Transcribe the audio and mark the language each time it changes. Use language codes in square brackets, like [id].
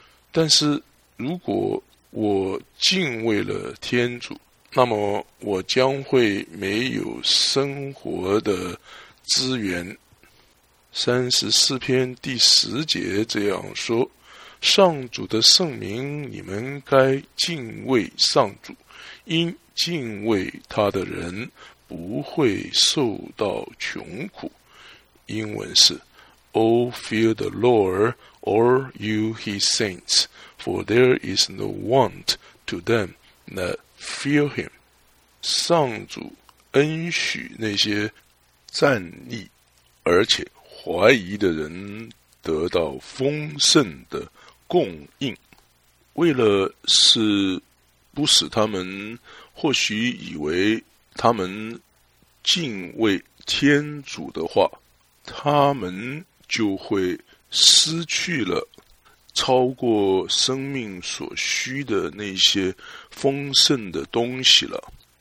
[zh] 但是如果我敬畏了天主，那么我将会没有生活的资源。 34:10这样说，上主的圣名，你们该敬畏上主，因敬畏他的人不会受到穷苦。英文是 [en] O fear the Lord, all you his saints, for there is no want to them that fear him. [zh] 上主恩许那些站立而且怀疑的人得到丰盛的供应，为了是不使他们或许以为他们敬畏天主的话，他们就会失去了超过生命所需的那些丰盛的东西了。